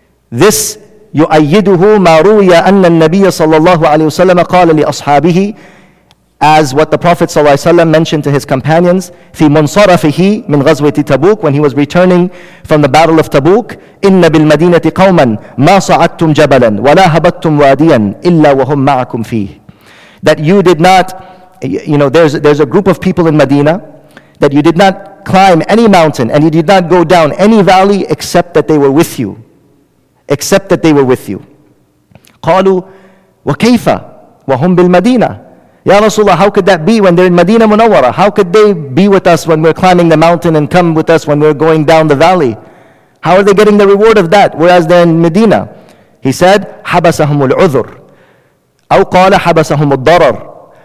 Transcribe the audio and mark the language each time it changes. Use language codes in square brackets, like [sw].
[en] This [ar] يؤيده ما روي أن النبي صلى الله عليه وسلم قال لأصحابه, [en] as what the Prophet [ar] صلى الله عليه وسلم [en] mentioned to his companions, [ar] في منصرفه من غزوة تبوك, [en] when he was returning from the battle of Tabuk, [ar] إن بالمدينة قوما ما صعدتم جبلا ولا هبطتم واديا إلا وهم معكم فيه. [en] That you did not, you know, there's a group of people in Medina that you did not climb any mountain and you did not go down any valley except that they were with you. Except that they were with you. [ar] قالوا وكيف وهم بالمدينة. [en] Ya Rasulullah, how could that be when they're in Medina Munawwara? How could they be with us when we're climbing the mountain and come with us when we're going down the valley? How are they getting the reward of that, whereas they're in Medina? He said, [ar] حبسهم العذر. أو قال حبسهم الضرر.